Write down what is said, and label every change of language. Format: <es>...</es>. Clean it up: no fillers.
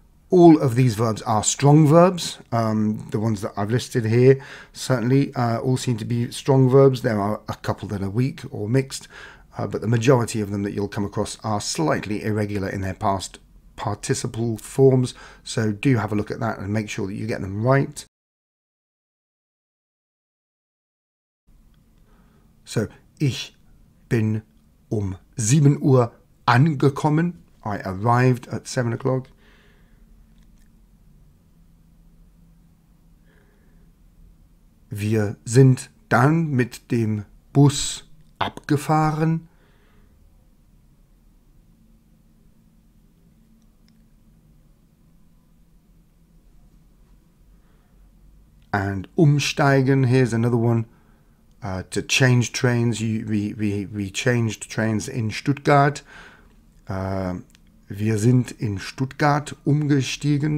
<en>All of these verbs are strong verbs. The ones that I've listed here certainly all seem to be strong verbs. There are a couple that are weak or mixed, but the majority of them that you'll come across are slightly irregular in their past participle forms. So do have a look at that and make sure that you get them right.</en> <de>So, ich bin um 7 Uhr angekommen.</de> <en>I arrived at 7 o'clock.</en> <de>Wir sind dann mit dem Bus abgefahren.</de> <en>And umsteigen, here's another one. To change trains, we changed trains in Stuttgart.</en> <de>Wir sind in Stuttgart umgestiegen.</de>